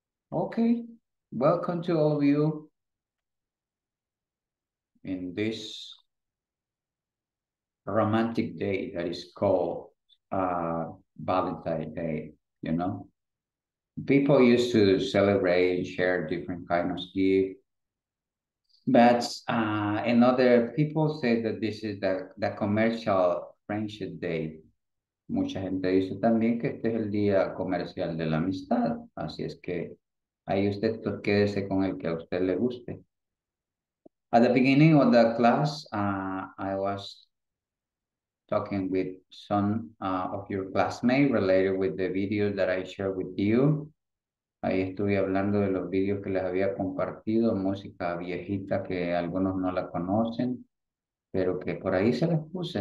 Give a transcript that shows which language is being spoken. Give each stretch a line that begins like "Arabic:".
English: Okay, welcome to all of you in this romantic day that is called Valentine's Day, you know? People used to celebrate and share different kinds of gifts, but another people say that this is the commercial friendship day.
Spanish: Mucha gente dice también que este es el día comercial de la amistad. Así es que ahí usted quédese con el que a usted le guste.
English: At the beginning of the class, I was talking with some of your classmates related with the video that I shared with you.
Spanish: Ahí estuve hablando de los videos que les había compartido, música viejita que algunos no la conocen, pero que por ahí se las puse.